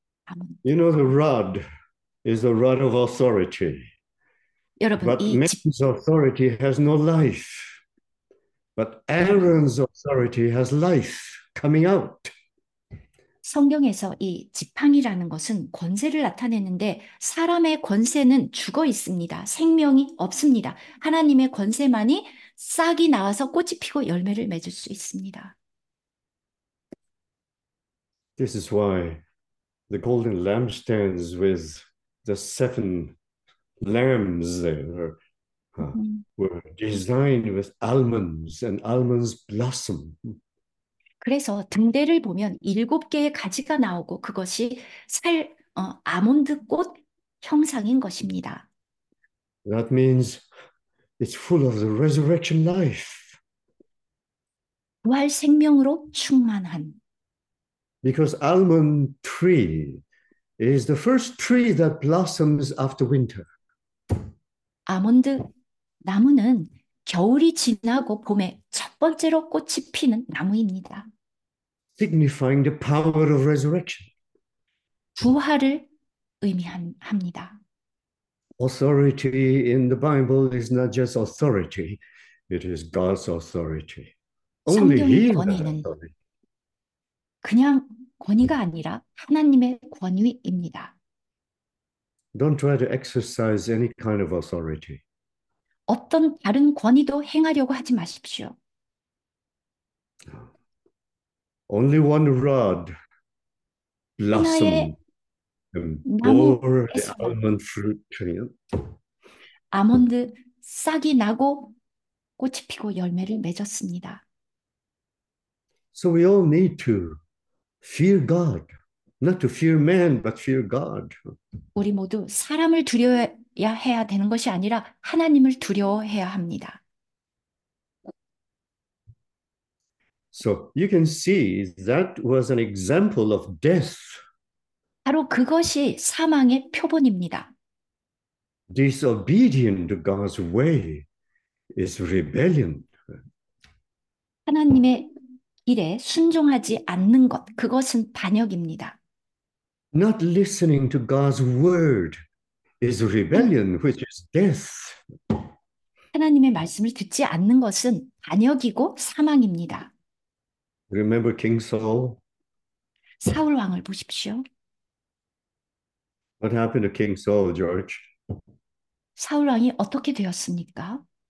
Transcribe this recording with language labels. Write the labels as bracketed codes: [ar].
[ko] 아몬드. [en] You know, the rod is the rod of authority. [ko] 여러분, [en] But [ko] 이 [en] man's authority has no life. But [ko] 여러분, [en] Aaron's authority has life coming out. [ko] 성경에서 이 지팡이라는 것은 권세를 나타내는데 사람의 권세는 죽어 있습니다. 생명이 없습니다. 하나님의 권세만이 싹이 나와서 꽃이 피고 열매를 맺을 수 있습니다. [en] This is why the golden lampstands with the seven lamps there were designed with almonds and almonds blossom. [ko] 그래서 등대를 보면 일곱 개의 가지가 나오고 그것이 살 아몬드꽃 형상인 것입니다. [en] That means it's full of the resurrection life. [ko] 부활 생명으로 충만한. [en] Because almond tree is the first tree that blossoms after winter. [ko] 아몬드 나무는 겨울이 지나고 봄에 첫 번째로 꽃이 피는 나무입니다. [en] Signifying the power of resurrection. [ko] 부활을 의미합니다. [en] Authority in the Bible is not just authority, it is God's authority. Only [ko] 성경의 [en] He has [ko] 권위는 [en] authority. [ko] 그냥 권위가 아니라 하나님의 권위입니다. [en] Don't try to exercise any kind of authority. [ko] 어떤 다른 권위도 행하려고 하지 마십시오. [en] Only one rod [ko] 하나의 [en] blossomed and bore the [ko] 나무에서만 [en] almond fruit tree. [ko] 아몬드 싹이 나고 꽃이 피고 열매를 맺었습니다. [en] So we all need to fear God, not to fear man, but fear God. [ko] 우리 모두 사람을 두려워해야 되는 것이 아니라 하나님을 두려워해야 합니다. [en] So you can see that was an example of death. [ko] 바로 그것이 사망의 표본입니다. [en] Disobedient to God's way is rebellion. [ko] 하나님의 일에 순종하지 않는 것, 그것은 반역입니다. [en] Not listening to God's word is rebellion, which is death. [ko] 하나님의 말씀을 듣지 않는 것은 반역이고 사망입니다. [en] Remember King Saul? [ko] 사울 왕을 보십시오. [en] What happened to King Saul, George? [ko] 사울 왕이 어떻게 되었습니까?